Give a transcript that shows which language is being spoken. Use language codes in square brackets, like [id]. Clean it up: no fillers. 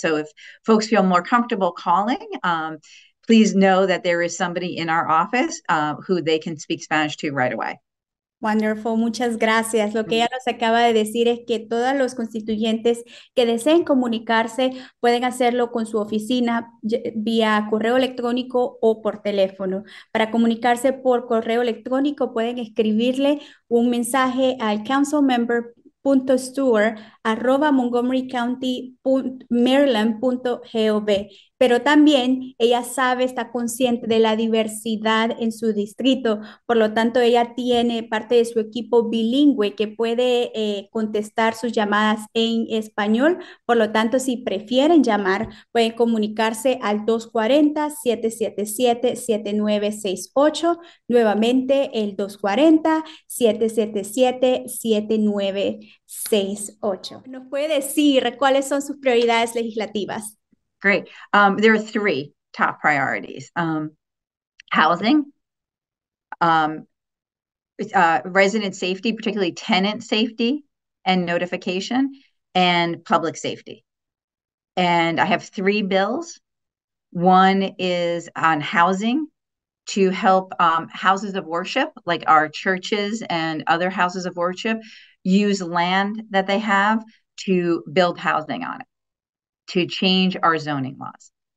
[en] So if folks feel more comfortable calling, please know that there is somebody in our office who they can speak Spanish to right away. Wonderful, [es] muchas gracias. Lo que ella nos acaba de decir es que todos los constituyentes que deseen comunicarse pueden hacerlo con su oficina vía correo electrónico o por teléfono. Para comunicarse por correo electrónico pueden escribirle un mensaje al council member .stewart@montgomerycountymaryland.gov. Pero también ella sabe, está consciente de la diversidad en su distrito. Por lo tanto, ella tiene parte de su equipo bilingüe que puede contestar sus llamadas en español. Por lo tanto, si prefieren llamar, pueden comunicarse al 240-777-7968. Nuevamente, el 240-777-7968. ¿Nos puede decir cuáles son sus prioridades legislativas? [en] Great. There are three top priorities: housing, resident safety, particularly tenant safety and notification, and public safety. And I have three bills. One is on housing to help houses of worship, like our churches and other houses of worship, use land that they have to build housing on it, to change our zoning laws.